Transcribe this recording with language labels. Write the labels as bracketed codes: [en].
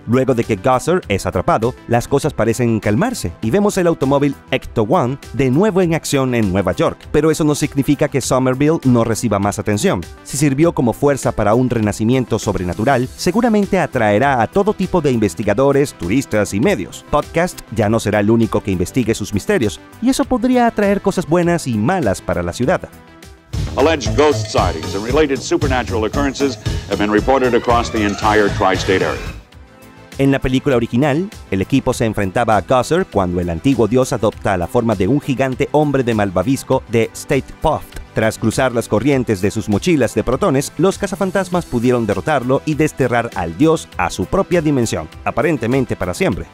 [es] Luego de que Gusser es atrapado, las cosas parecen calmarse y vemos el automóvil Ecto-1 de nuevo en acción en Nueva York, pero eso no significa que Somerville no reciba más atención. Si sirvió como fuerza para un renacimiento sobrenatural, seguramente atraerá a todo tipo de investigadores, turistas y medios. Podcast ya no será el único que investigue sus misterios, y eso podría atraer cosas buenas y malas para la ciudad. [en] Alleged ghost sightings and related supernatural occurrences have been reported across the entire tri-state area. [es] En la película original, el equipo se enfrentaba a Gusser cuando el antiguo dios adopta la forma de un gigante hombre de malvavisco de State Puft. Tras cruzar las corrientes de sus mochilas de protones, los cazafantasmas pudieron derrotarlo y desterrar al dios a su propia dimensión, aparentemente para siempre.